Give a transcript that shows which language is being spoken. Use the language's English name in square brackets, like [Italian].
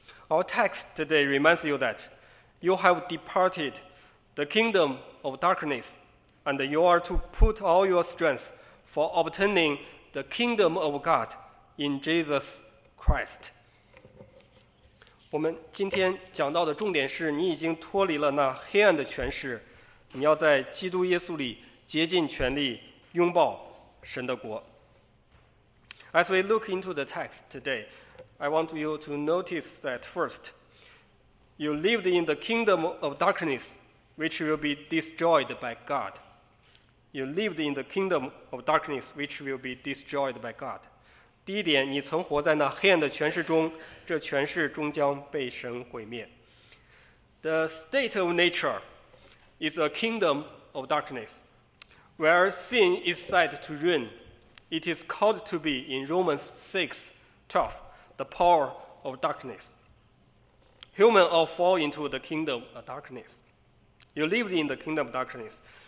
[English] Our text today reminds you that you have departed the kingdom of darkness, and you are to put all your strength for obtaining the kingdom of God in Jesus Christ. [Chinese] 我们今天讲到的重点是，你已经脱离了那黑暗的权势，你要在基督耶稣里竭尽全力拥抱神的国。 [English] As we look into the text today, I want you to notice that first, you lived in the kingdom of darkness, which will be destroyed by God. You lived in the kingdom of darkness, which will be destroyed by God. [Chinese] 第一点，你曾活在那黑暗的权势中，这权势终将被神毁灭。 [English] The state of nature is a kingdom of darkness. Where sin is said to reign, it is called to be in Romans 6, 12, the power of darkness. Humans all fall into the kingdom of darkness. You lived in the kingdom of darkness.